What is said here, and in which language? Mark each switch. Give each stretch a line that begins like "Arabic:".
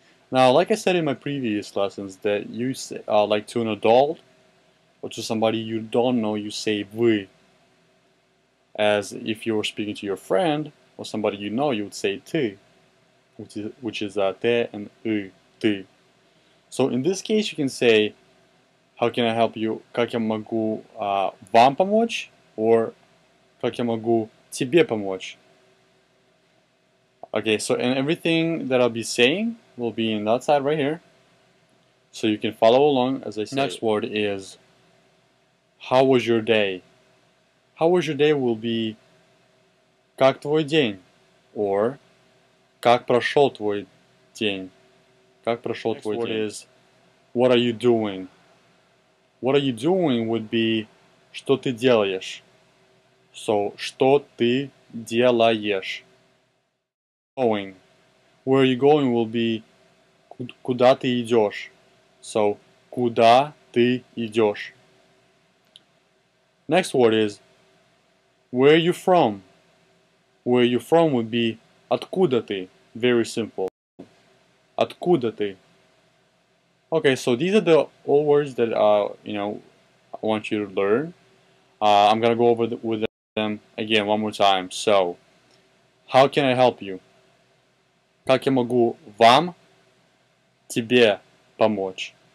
English: Now, like I said in my previous lessons, that you say, like to an adult, or to somebody you don't know, you say вы. As if you were speaking to your friend or somebody you know, you would say ты, which is те and ы, ты. So in this case, you can say, how can I help you?
Russian: Как я могу вам помочь? Or как я могу тебе помочь?
English: Okay, so and everything that I'll be saying will be in that side right here. So you can follow along as I say. Next word is, how was your day? How was your day will be
Russian: как твой день? Or как прошел твой день? Как прошел твой день?
English: Next word is what are you doing? What are you doing would be
Russian: что ты делаешь? So, что ты делаешь?
English: Going. Where are you going will be
Russian: куда ты идешь?
English: So,
Russian: куда ты идешь?
English: Next word is, where are you from? Where are you from would be,
Russian: откуда ты?
English: Very simple.
Russian: Откуда ты?
English: Okay, so these are the old words that I want you to learn. I'm gonna go over with them again one more time. So, how can I help you?
Russian: Как я могу вам тебе помочь?